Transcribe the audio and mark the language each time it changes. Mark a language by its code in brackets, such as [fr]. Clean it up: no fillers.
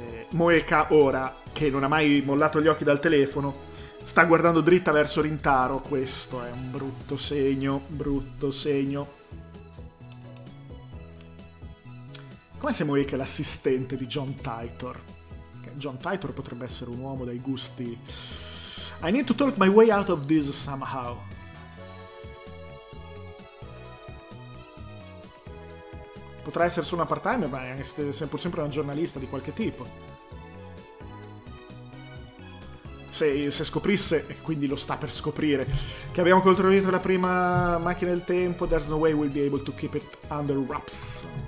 [it] Moeka, ora, che non ha mai mollato gli occhi dal telefono, sta guardando dritta verso Rintaro. Questo è un brutto segno. Come se Moeka è l'assistente di John Titor? John Titor potrebbe essere un uomo dai gusti. [en] I need to talk my way out of this somehow. [it] Potrà essere solo una part-time, ma è pur sempre una giornalista di qualche tipo. Se scoprisse, e quindi lo sta per scoprire, che abbiamo controllato la prima macchina del tempo, [en] there's no way we'll be able to keep it under wraps.